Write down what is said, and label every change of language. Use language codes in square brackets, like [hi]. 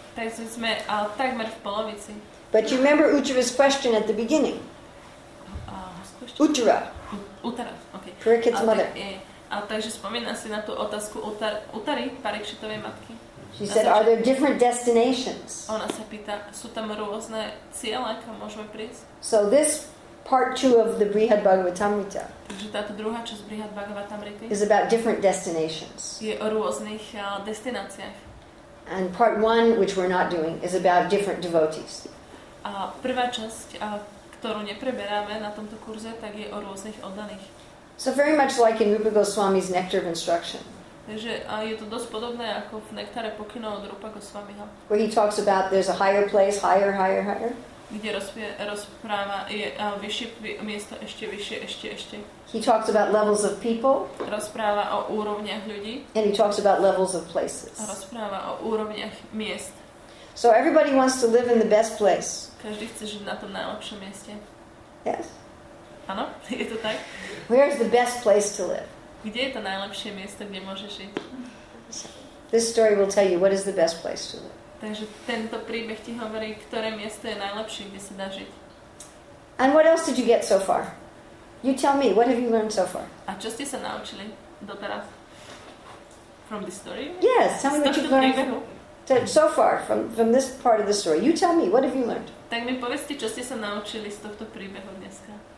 [sk] Takže sme takmer v polovici. [en] But you remember Uchara's question at the beginning. Uchara. Uchara, okay. Parikshit's mother. [sk] Takže spomína si na tú otázku Uttari, Parikshitovej matky. [en] She said, are there different destinations? [sk] Ona sa pýta, sú tam rôzne ciele, kam môžeme prísť? [en] So this part two of the Brihad Bhagavatamrita. [sk] Takže táto druhá časť Brihad Bhagavatamrity. [en] Is about different destinations. [sk] Je o rôznych destináciách. [en] And part one, which we're not doing, is about different devotees. [sk] A prvá časť, ktorú nepreberáme na tomto kurze, tak je o rôznych oddaných. [en] So very much like in Rupa Goswami's Nectar of Instruction. [sk] Takže je to dosť podobné ako v Nektare pokynov od Rupa Goswamiho. [en] Where he talks about there's a higher place, higher, higher, higher. [sk] Kde rozpráva, je vyššie miesto, ešte vyššie, ešte, ešte. [en] He talks about levels of people. [sk] Rozpráva o úrovniach ľudí. [en] And he talks about levels of places. [sk] A rozpráva o úrovniach miest. [en] So everybody wants to live in the best place. [sk] Každý chce žiť na tom najlepšom mieste. [en] Yes. [sk] Áno, je to tak. [en] Where is the best place to live? [sk] Kde je to najlepšie miesto, kde môžeš žiť? [en] This story will tell you what is the best place to live. [sk] Takže tento príbeh ti hovorí, ktoré miesto je najlepšie, kde sa dá žiť. [en] And what else did you get so far? You tell me, what have you learned so far? [sk] A čo ste sa naučili doteraz? [en] From this story? Yes, tell me what you've learned. So far, from this part of the story, you tell me, what have you learned? [sk] Tak mi povedzte, čo ste sa naučili z tohto príbehu dneska.